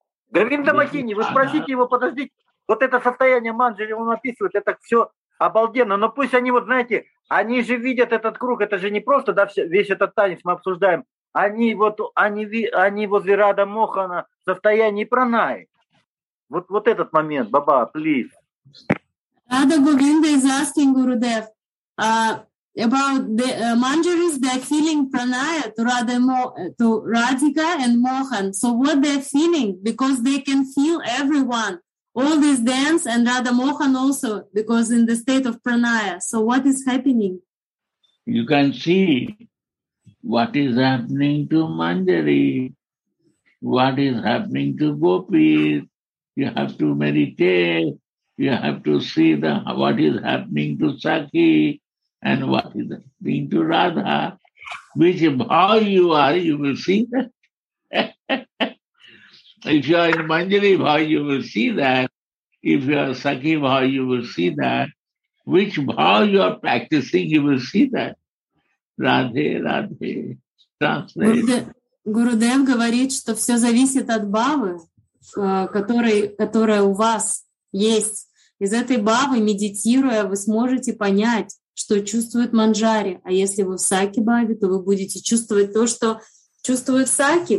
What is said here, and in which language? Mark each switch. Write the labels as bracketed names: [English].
[Russian] Говинда Махини, вы спросите его, подождите. Вот это состояние Манджари, он описывает, это все обалденно. Но пусть они вот, знаете, они же видят этот круг, это же не просто, да, весь этот танец мы обсуждаем. Они вот, они возле Рада Мохана в состоянии пранаи. Вот, вот этот момент, Баба, плиз. [English] Рада Говинда is asking Gurudev about the Manjaris, they're feeling pranaya to Radhika and Mohan. So what they're feeling, because they can feel everyone, all this dance, and Radha Mohan also, because in the state of pranaya. So what is happening? You can see what is happening to Manjari, what is happening to Gopis. You have to meditate. You have to see the what is happening to Sakhi and what is happening to Radha. Which how you are, you will see that. If you are in Manjari Bhav, you will see that. If you are Sakhi Bhav, you will see that. Which Bhav you are practicing, you will see that. Radhe, Radhe. Translate. [Russian] Gurudev говорит, что все зависит от Бхавы, которая у вас есть. Из этой Бхавы, медитируя, вы сможете понять, что чувствует Манджари. А если вы в Сакхи Бхаве, то вы будете чувствовать то, что чувствует Сакхи.